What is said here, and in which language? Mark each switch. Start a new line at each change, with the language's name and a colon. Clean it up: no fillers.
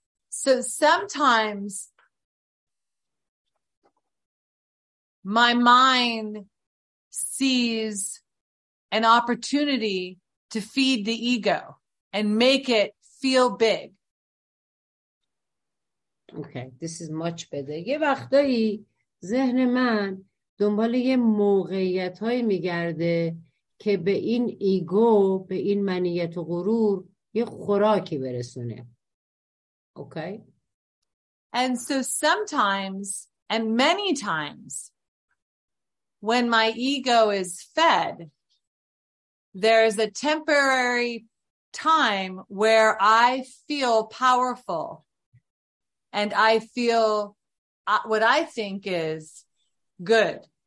English: So sometimes my mind sees an opportunity to feed the ego and make it feel big. Okay, this is much better.
Persian: یه وقتایی ذهن من دنبال یه موقعیت های میگرده که به این ایگو، به این منیت و غرور یه خوراکی برسونه.
English: Okay? And so sometimes and many times when my ego is fed, there's a temporary time where I feel powerful and I feel what I think is good.